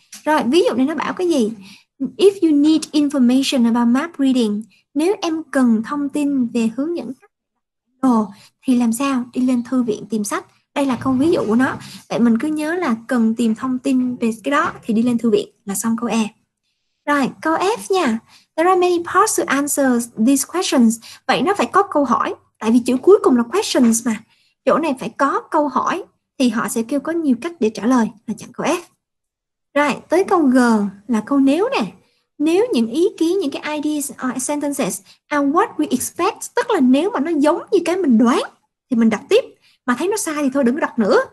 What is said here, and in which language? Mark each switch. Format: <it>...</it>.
<vi>Rồi, ví dụ này nó bảo cái gì?</vi> <en>If you need information about map reading,</en> <vi>nếu em cần thông tin về hướng dẫn cách đồ thì làm sao? Đi lên thư viện tìm sách. Đây là câu ví dụ của nó. Vậy mình cứ nhớ là cần tìm thông tin về cái đó thì đi lên thư viện, là xong câu E. Rồi, câu F nha.</vi> <en>There are many parts to answer these questions.</en> <vi>Vậy nó phải có câu hỏi, tại vì chữ cuối cùng là questions mà. Chỗ này phải có câu hỏi thì họ sẽ kêu có nhiều cách để trả lời, là chọn câu F. Rồi, tới câu G là câu nếu nè. Nếu những ý kiến, những cái</vi> <en>ideas or sentences are what we expect,</en> <vi>tức là nếu mà nó giống như cái mình đoán thì mình đọc tiếp, mà thấy nó sai thì thôi đừng đọc nữa.</vi>